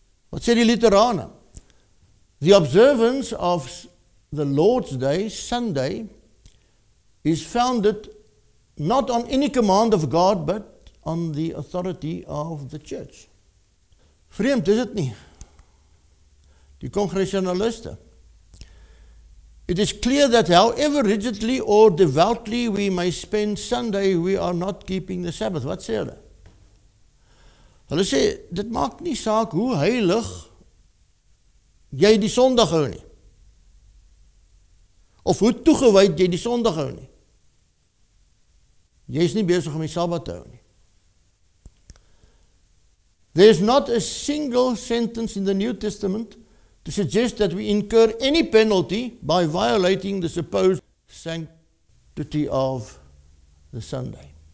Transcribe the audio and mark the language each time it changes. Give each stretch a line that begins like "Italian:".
Afrikaans: Wat sê die Lutherane?
English: The observance of the Lord's Day, Sunday, is founded not on any command of God, but on the authority of the church.
Dutch: Vreemd is het niet.
English: Die Congregationalisten. It is clear that however rigidly or devoutly we may spend Sunday, we are not keeping the Sabbath.
Afrikaans: Wat sê hulle? Hulle sê, dit maak nie saak hoe heilig jy die Sondag hou nie. Of hoe toegewijd jy die Sondag hou nie. Jy is nie bezig om die Sabbat te hou nie.
English: There is not a single sentence in the New Testament to suggest that we incur any penalty by violating the supposed sanctity of the Sunday.